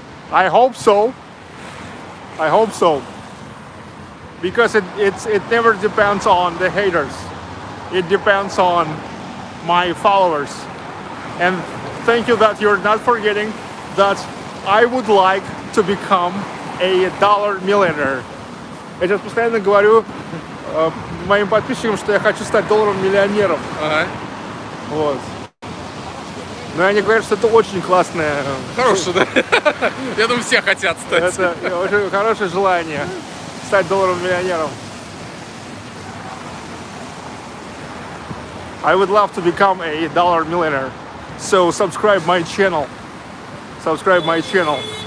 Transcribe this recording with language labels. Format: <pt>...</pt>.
<en>I hope so. I hope so. Because it never depends on the haters. It depends on my followers. And thank you that you're not forgetting that I would like to become a dollar millionaire.</en> <ru>Я сейчас постоянно говорю моим подписчикам, что я хочу стать долларовым миллионером. Вот. Но они говорят, что это очень классное. Хорошее, да? Я думаю, все хотят стать. Это очень хорошее желание стать долларовым миллионером.</ru> <en>I would love to become a dollar millionaire. So subscribe my channel. Subscribe my channel.</en>